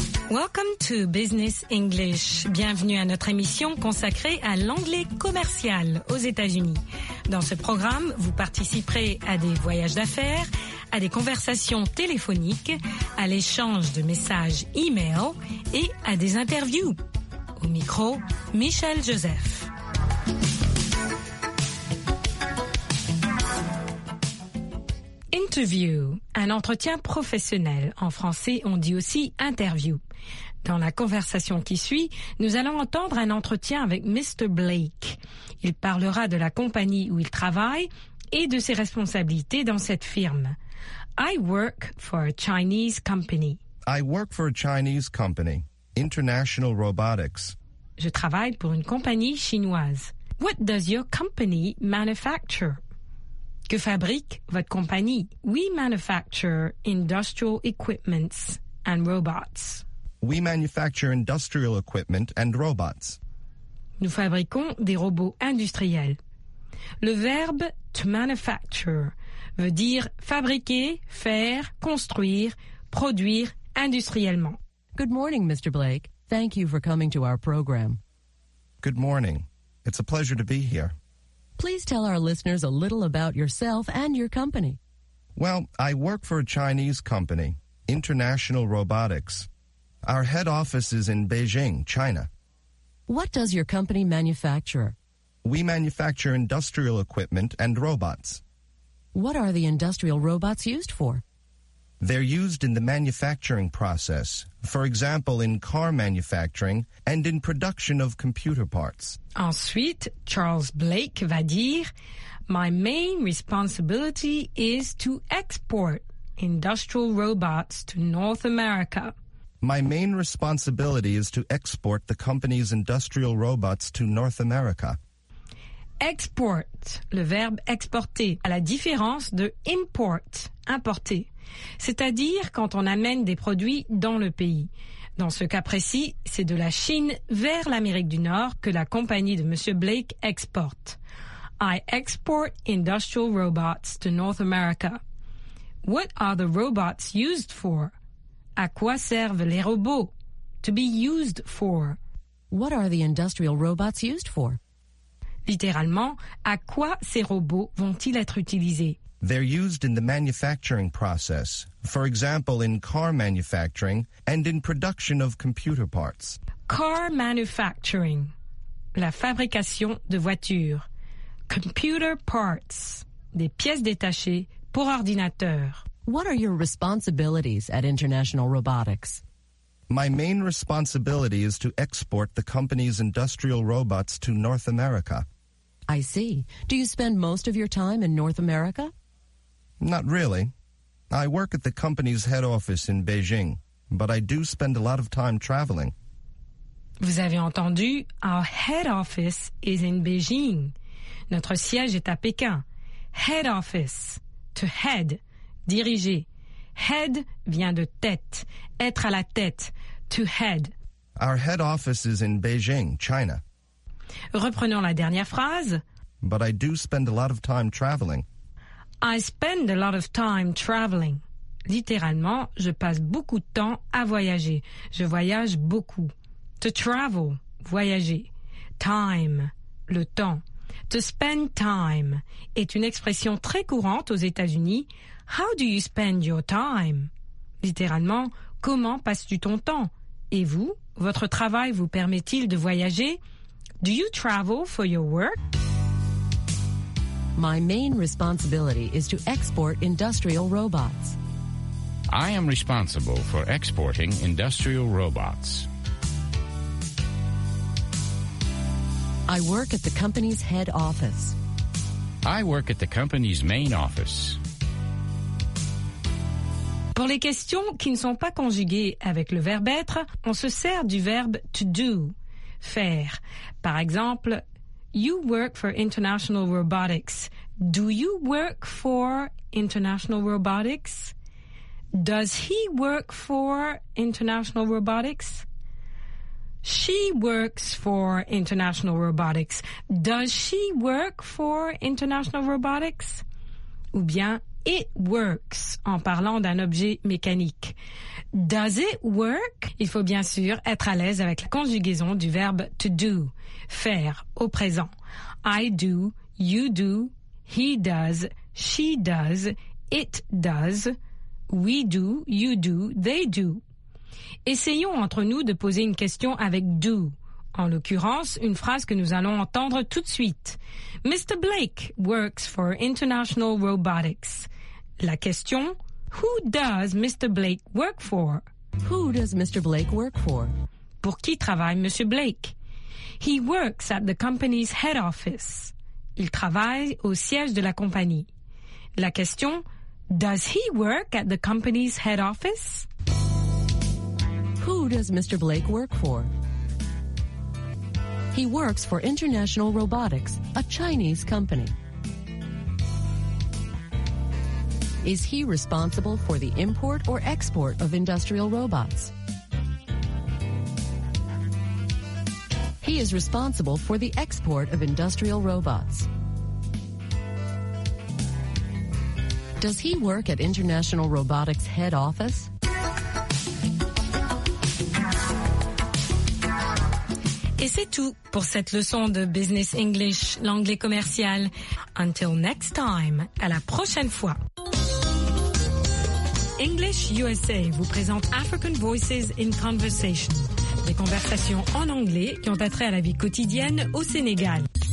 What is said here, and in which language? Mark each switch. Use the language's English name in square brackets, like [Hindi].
[English] Welcome to Business English. [French] Bienvenue à notre émission consacrée à l'anglais commercial aux États-Unis. Dans ce programme, vous participerez à des voyages d'affaires, à des conversations téléphoniques, à l'échange de messages e-mail et à des interviews. Au micro, Michel Joseph. Interview, un entretien professionnel. En français, on dit aussi interview. Dans la conversation qui suit, nous allons entendre un entretien avec Mr. Blake. Il parlera de la compagnie où il travaille et de ses responsabilités dans cette firme. [English] I work for a Chinese company. I work for a Chinese company, International Robotics. [French] Je travaille pour une compagnie chinoise. [English] What does your company manufacture? [French] Que fabrique votre compagnie? [English] We manufacture industrial equipments and robots. We manufacture industrial equipment and robots. [French] Nous fabriquons des robots industriels. Le verbe to manufacture veut dire fabriquer, faire, construire, produire industriellement. [English] Good morning, Mr. Blake. Thank you for coming to our program. Good morning. It's a pleasure to be here. Please tell our listeners a little about yourself and your company. Well, I work for a Chinese company, International Robotics. Our head office is in Beijing, China. What does your company manufacture? We manufacture industrial equipment and robots. What are the industrial robots used for? They're used in the manufacturing process, for example, in car manufacturing and in production of computer parts. [French] Ensuite, Charles Blake va dire, [English] My main responsibility is to export industrial robots to North America. My main responsibility is to export the company's industrial robots to North America. [French] Export, le verbe exporter, à la différence de import, importer. C'est-à-dire quand on amène des produits dans le pays. Dans ce cas précis, c'est de la Chine vers l'Amérique du Nord que la compagnie de Monsieur Blake exporte. [English] I export industrial robots to North America. What are the robots used for? [French] À quoi servent les robots? [English] To be used for. What are the industrial robots used for? [French] Littéralement, à quoi ces robots vont-ils être utilisés? [English] They're used in the manufacturing process, for example, in car manufacturing and in production of computer parts. Car manufacturing, [French] la fabrication de voitures. [English] Computer parts, [French] des pièces détachées pour ordinateur. [English] What are your responsibilities at International Robotics? My main responsibility is to export the company's industrial robots to North America. I see. Do you spend most of your time in North America? Not really. I work at the company's head office in Beijing, but I do spend a lot of time traveling. [French] Vous avez entendu, [English] our head office is in Beijing. [French] Notre siège est à Pékin. [English] Head office, to head, [French] diriger. Head vient de tête, être à la tête, to head. [English] Our head office is in Beijing, China. [French] Reprenons la dernière phrase. [English] But I do spend a lot of time traveling. I spend a lot of time traveling. [French] Littéralement, je passe beaucoup de temps à voyager. Je voyage beaucoup. [English] To travel, [French] voyager. Time, le temps. [English] To spend time [French] est une expression très courante aux États-Unis. [English] How do you spend your time? [French] Littéralement, comment passes-tu ton temps? Et vous, votre travail vous permet-il de voyager? [English] Do you travel for your work? My main responsibility is to export industrial robots. I am responsible for exporting industrial robots. I work at the company's head office. I work at the company's main office. [French] Pour les questions qui ne sont pas conjuguées avec le verbe être, on se sert du verbe to do, faire. Par exemple, [English] You work for International Robotics. Do you work for International Robotics? Does he work for International Robotics? She works for International Robotics. Does she work for International Robotics? [French] Ou bien, [English] it works, [French] en parlant d'un objet mécanique. [English] Does it work? [French] Il faut bien sûr être à l'aise avec la conjugaison du verbe to do, faire, au présent. [English] I do, you do, he does, she does, it does, we do, you do, they do. [French] Essayons entre nous de poser une question avec « do ». En l'occurrence, une phrase que nous allons entendre tout de suite. [English] « Mr. Blake works for International Robotics ». [French] La question [English] « Who does Mr. Blake work for ?»« Who does Mr. Blake work for ?» [French] Pour qui travaille M. Blake ?« [English] He works at the company's head office ». [French] Il travaille au siège de la compagnie. La question [English] « Does he work at the company's head office ?» Who does Mr. Blake work for? He works for International Robotics, a Chinese company. Is he responsible for the import or export of industrial robots? He is responsible for the export of industrial robots. Does he work at International Robotics head office? [French] Et c'est tout pour cette leçon de Business English, l'anglais commercial. [English] Until next time, [French] à la prochaine fois. English USA vous présente African Voices in Conversation, des conversations en anglais qui ont attrait à la vie quotidienne au Sénégal.